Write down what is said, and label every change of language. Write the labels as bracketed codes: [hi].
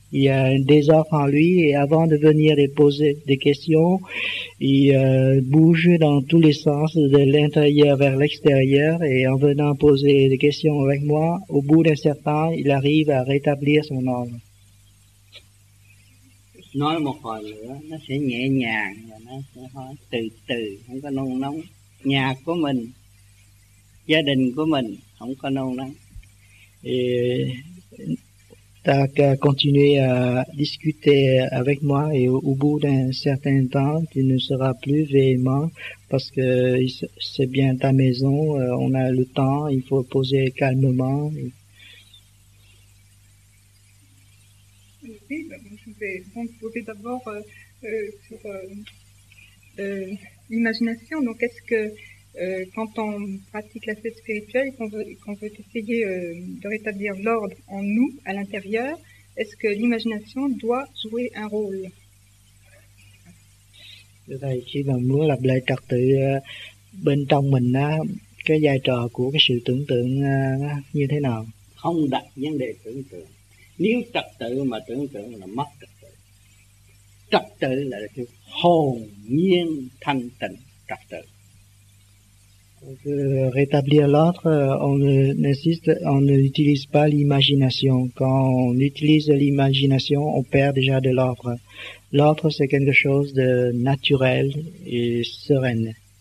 [fr] Il y a un désordre en lui et avant de venir les poser des questions, il bouge dans tous les sens, de l'intérieur vers l'extérieur, et en venant poser des questions avec moi, au bout d'un certain temps, il arrive à rétablir son ordre. [vi] Nói một hồi nữa, nó sẽ nhẹ nhàng và nó sẽ hơi từ từ, không có nôn nóng. Nhà của mình, gia đình của mình không có nôn nóng. [fr] Tu as continué à discuter avec moi et au bout d'un certain temps, tu ne seras plus véhément parce que c'est bien ta maison, on a le temps, il faut poser calmement. Oui, je vais poser d'abord sur l'imagination. Donc, est-ce que quand on pratique la fête spirituelle, qu'on veut essayer de rétablir l'ordre en nous, à l'intérieur, est-ce que l'imagination doit jouer un rôle? [vi] Thầy, khi mà muốn lập lại trật tự bên trong mình, cái vai trò của cái sự tưởng tượng như thế nào? Không đặt vấn đề tưởng tượng. Nếu trật tự mà tưởng tượng là mất trật tự. Trật tự là cái hồn nhiên thanh tịnh trật tự. [fr] Rétablir l'ordre, on n'utilise pas l'imagination. Quand on utilise l'imagination, on perd déjà de l'ordre. L'ordre, c'est quelque chose de naturel et serein.